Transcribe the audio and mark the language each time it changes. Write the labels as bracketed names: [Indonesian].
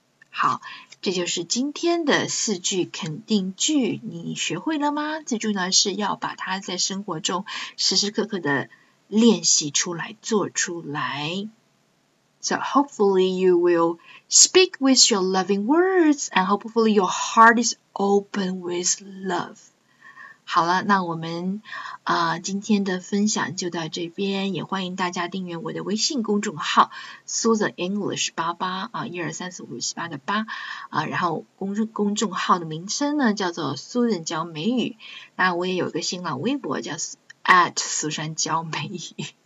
[Chinese] 好，这就是今天的四句肯定句，你学会了吗？记住呢，是要把它在生活中时时刻刻的练习出来，做出来。 [English] So hopefully you will speak with your loving words, and hopefully your heart is open with love. [Chinese] 好了，那我们今天的分享就到这边，也欢迎大家订阅我的微信公众号 Susan English 88啊，12345678的八啊，然后公众号的名称呢叫做 Susan 教美语，那我也有一个新浪微博叫 @Susan 教美语